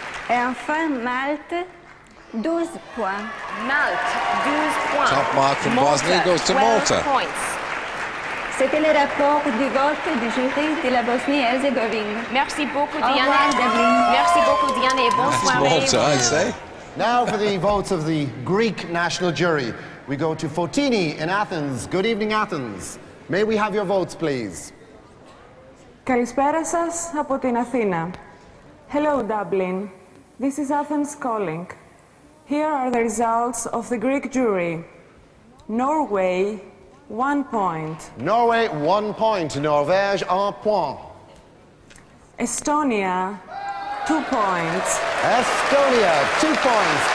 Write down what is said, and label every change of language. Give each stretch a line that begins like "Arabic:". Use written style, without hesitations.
French: Et enfin, Malte, 12 points. Malte, 12 points.
English: Top mark from Bosnia goes to Malta. Points.
French: C'était le rapport du vote du jury de la Bosnie-Herzégovine. Merci beaucoup, Diana. Merci beaucoup, Diana. Bonsoir.
English: That's Malta, I say. Now for the votes of the Greek national jury. We go to Fotini in Athens. Good evening, Athens. May we have your votes, please?
Greek: Καλησπέρα σας από την Αθήνα.
English: Hello, Dublin. This is Athens calling. Here are the results of the Greek jury. Norway, 1 point. Norway, 1 point.
French: Norvège, 1 point.
English: Estonia, 2 points. Estonia, 2 points.